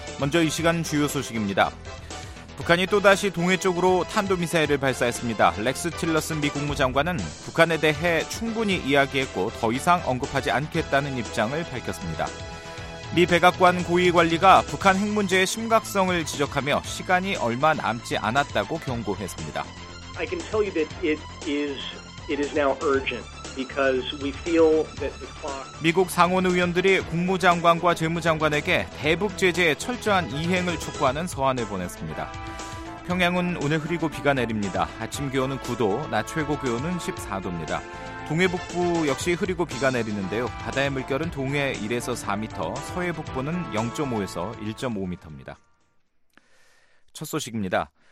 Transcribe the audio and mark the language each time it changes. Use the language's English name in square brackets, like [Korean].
[Korean] 먼저 이 시간 주요 소식입니다. 북한이 또다시 동해 쪽으로 탄도미사일을 발사했습니다. 렉스 틸러슨 미 국무장관은 북한에 대해 충분히 이야기했고 더 이상 언급하지 않겠다는 입장을 밝혔습니다. 미 백악관 고위 관리가 북한 핵 문제의 심각성을 지적하며 시간이 얼마 남지 않았다고 경고했습니다. [English] I can tell you that it is now urgent because we feel that the clock. [Korean] 미국 상원 의원들이 국무장관과 재무장관에게 대북 제재의 철저한 이행을 촉구하는 서한을 보냈습니다. 평양은 오늘 흐리고 비가 내립니다. 아침 기온은 9도, 낮 최고 기온은 14도입니다. 동해 북부 역시 흐리고 비가 내리는데요. 바다의 물결은 동해 1에서 4m, 서해 북부는 0.5에서 1.5m입니다. 첫 소식입니다.